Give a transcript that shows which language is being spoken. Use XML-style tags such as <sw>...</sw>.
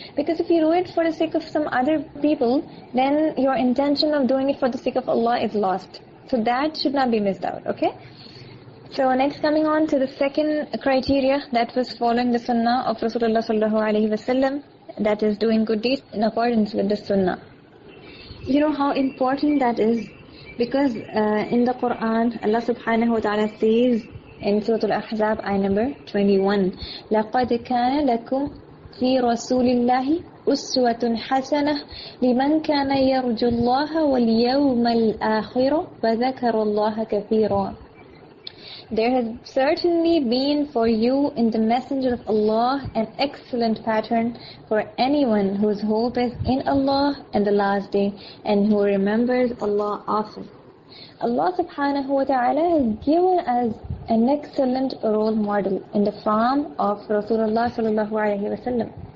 <en>Because if you do it for the sake of some other people, then your intention of doing it for the sake of Allah is lost. So that should not be missed out, okay? So next, coming on to the second criteria, that was following the sunnah of Rasulullah sallallahu alayhi wa sallam, that is doing good deeds in accordance with the sunnah. You know how important that is? Because in the Quran, Allah subhanahu wa ta'ala says, in Surah Al-Ahzab, ayah number 21,</en> <ar>لَقَدْ كَانَ لَكُمْ فِي رَسُولِ اللَّهِ أُسْوَةٌ حَسَنَةٌ لِمَنْ كَانَ يَرْجُ اللَّهَ وَالْيَوْمَ الْآخِرَ وَذَكَرَ اللَّهَ كَثِيرًا.</ar> <en>There has certainly been for you in the Messenger of Allah an excellent pattern for anyone whose hope is in Allah and the Last Day, and who remembers Allah often. Allah subhanahu wa ta'ala has given us an excellent role model in the form of Rasulullah sallallahu alayhi wa sallam.</en>